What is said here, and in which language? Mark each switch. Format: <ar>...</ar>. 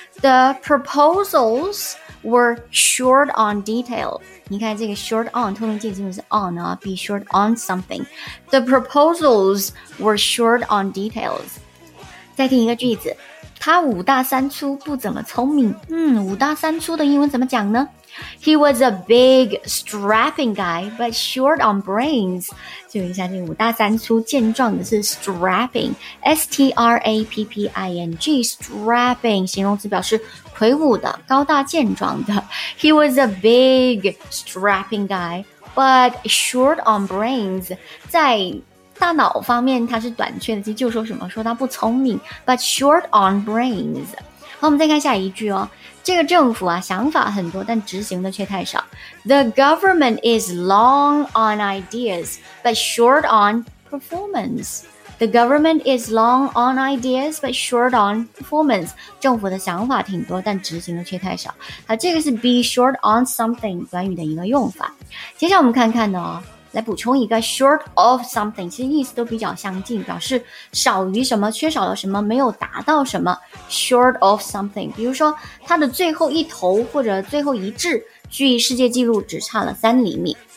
<en>The proposals were short on detail。</en> <zh>你看这个 short on， 通用介词是 on 啊，</zh> <en>be short on something。 The proposals were short on details。</en> <zh>再听一个句子。他五大三粗不怎么聪明。嗯，五大三粗的英文怎么讲呢？</zh> <en>He was a big strapping guy but short on brains。</en> <zh>注意一下这个五大三粗，健壮的是 strapping， S-T-R-A-P-P-I-N-G， strapping 形容词，表示魁梧的、高大健壮的。</zh> <en>He was a big strapping guy but short on brains，</en> <zh>在大脑方面它是短缺的，其实就说什么，说它不聪明，</zh> <en>but short on brains。</en> <zh>好，我们再看下一句哦。这个政府啊，想法很多但执行的却太少。</zh> <en>The government is long on ideas but short on performance。 The government is long on ideas but short on performance。</en> <zh>政府的想法挺多但执行的却太少。好，这个是</zh> <en>be short on something</en> <zh>短语的一个用法。接下来我们看看呢，来补充一个</zh> <en>short of something，</en> <zh>其实意思都比较相近，表示少于什么、缺少了什么、没有达到什么。</zh> <en>short of something，</en> <zh>比如说它的最后一投或者最后一掷距世界纪录只差了三厘米。</zh>